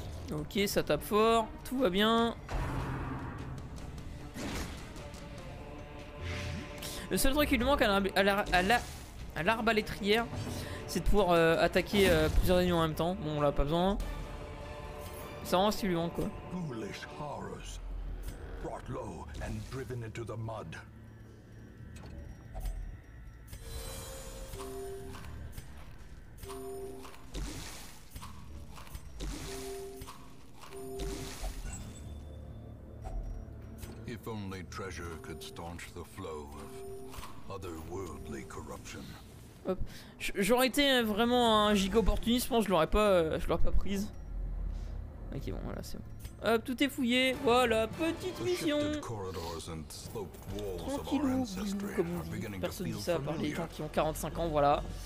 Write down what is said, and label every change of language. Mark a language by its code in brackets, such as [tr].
[fr] Ok, ça tape fort, tout va bien. Le seul truc qui lui manque à l'arbalétrière, c'est de pouvoir attaquer plusieurs ennemis en même temps. Bon, on l'a pas besoin. Ça rend ce qui lui manque, quoi. [en] Foolish horrors brought low and driven into the mud. If only treasure could staunch the flow of otherworldly corruption. [fr] Hop. J'aurais été vraiment un gigoportuniste, je pense que je l'aurais pas prise. Ok, bon, voilà, c'est bon. Hop, tout est fouillé. Voilà, petite mission. Tranquillou, comme on dit. Personne dit ça à part les gens qui ont 45 ans, voilà.